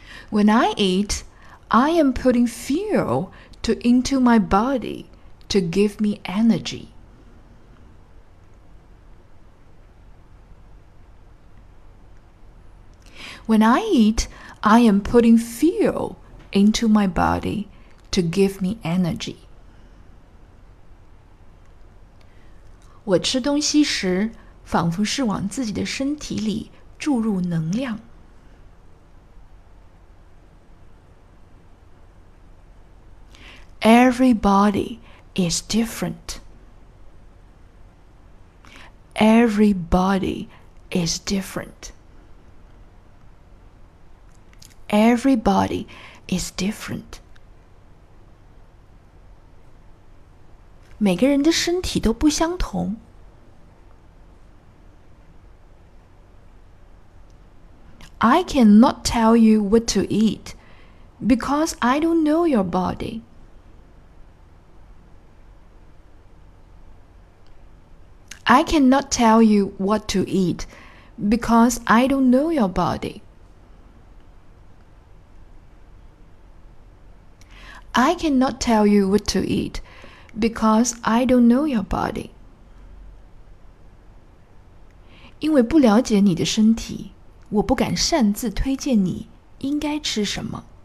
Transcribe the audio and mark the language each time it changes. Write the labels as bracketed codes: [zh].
[en] When I eat, I am putting fuel into my body to give me energy. When I eat, I am putting fuel into my body to give me energy. [zh] 我吃东西时，仿佛是往自己的身体里注入能量。 [en] Everybody is different. Everybody is different. Everybody is different. [zh] 每个人的身体都不相同。 [en] I cannot tell you what to eat because I don't know your body. I cannot tell you what to eat because I don't know your body. I cannot tell you what to eat because I don't know your body. [zh] 因为不了解你的身体，我不敢擅自推荐你应该吃什么。